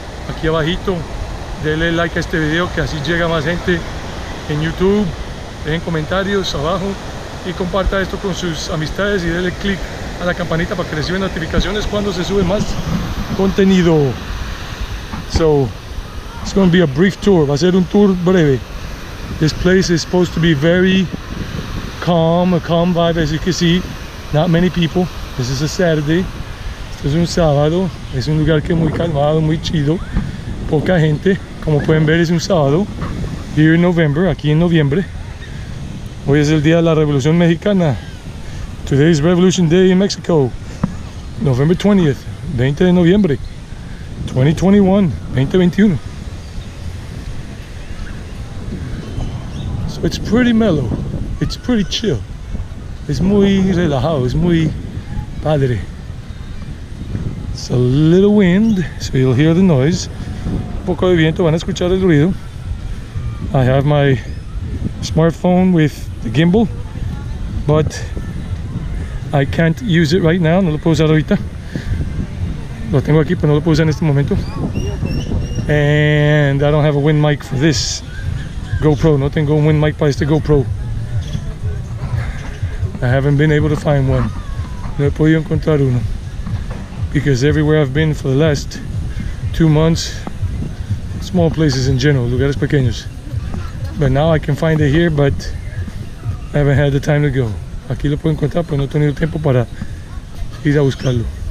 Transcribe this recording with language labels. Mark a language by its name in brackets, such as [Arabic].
[Spanish] Aquí abajito, denle like a este video que así llega más gente en YouTube. Dejen comentarios abajo y comparta esto con sus amistades y denle click a la campanita para que reciban notificaciones cuando se sube más contenido. [English] So, it's going to be a brief tour. [Spanish] Va a ser un tour breve. [English] This place is supposed to be very calm, a calm vibe, as you can see. Not many people. This is a Saturday. [Spanish] Este es un sábado. Es un lugar que es muy calmado, muy chido. Poca gente. Como pueden ver, es un sábado. [English] Here in November, [Spanish] aquí en noviembre. Hoy es el día de la Revolución Mexicana. [English] Today is Revolution Day in Mexico. November 20th, [Spanish] 20 de noviembre. 2021, 2021. [English] So it's pretty mellow. It's pretty chill. It's [Spanish] muy relajado. It's muy padre. [English] It's a little wind, so you'll hear the noise. [Spanish] Un poco de viento, van a escuchar el ruido. [English] I have my smartphone with the gimbal, but I can't use it right now. [Spanish] No lo puedo usar ahorita. Lo tengo aquí, pero no lo puedo usar en este momento. [English] And I don't have a wind mic for this GoPro. [Spanish] No tengo un [English] wind mic [Spanish] para este GoPro. [English] I haven't been able to find one. [Spanish] No he podido encontrar uno. [English] Because everywhere I've been for the last 2 months, small places in general, [Spanish] lugares pequeños. [English] But now I can find it here, but I haven't had the time to go. [Spanish] Aquí lo puedo encontrar, pero no he tenido tiempo para ir a buscarlo.